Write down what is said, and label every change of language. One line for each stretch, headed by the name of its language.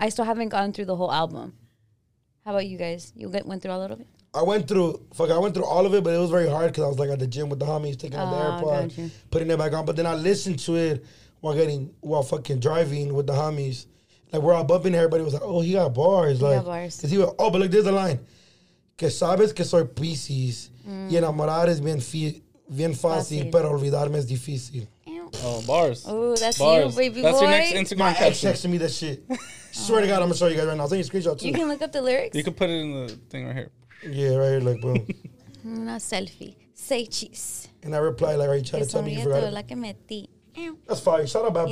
English: I still haven't gone through the whole album. How about you guys? You went through a little bit? I went through all of it, but it was very hard because I was, like, at the gym with the homies, taking out the AirPods, putting it back on. But then I listened to it while fucking driving with the homies. Like, we're all bumping, everybody was like, oh, he got bars. Because he was, oh, but look, there's a line.
Spanish: Que sabes que soy Pisces. Y enamorar es bien fácil, pero olvidarme es difícil.
English: Oh, bars. Ooh, that's bars. You, baby that's boy. That's your next Instagram My caption. My ex texted me that shit. Swear to God, I'm going to show you guys right now. I'll send you a screenshot, too. You can look up the lyrics. You can put it in the thing right here. Yeah, right here, like, boom. No selfie. Say cheese. And I reply, like, are you trying to tell me you forgot? Like metí. That's fire. Shout out Bad Bunny.